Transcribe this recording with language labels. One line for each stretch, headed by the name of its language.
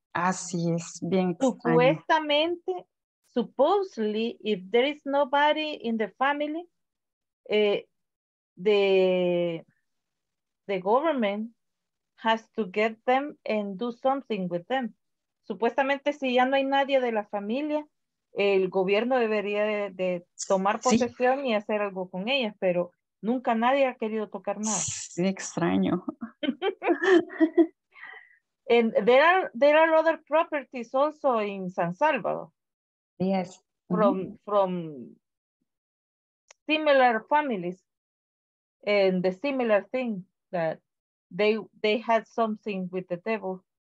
Spanish: Así es, bien supuestamente, extraño.
English: Supposedly, if there is nobody in the family, the government has to get them and do something with them.
Spanish: Supuestamente, si ya no hay nadie de la familia, el gobierno debería de tomar posesión, sí. Y hacer algo con ellas, pero nunca nadie ha querido tocar nada. Sí, extraño.
English: And there are other properties also in San Salvador. Yes. From similar families and the similar thing that they had something with the devil.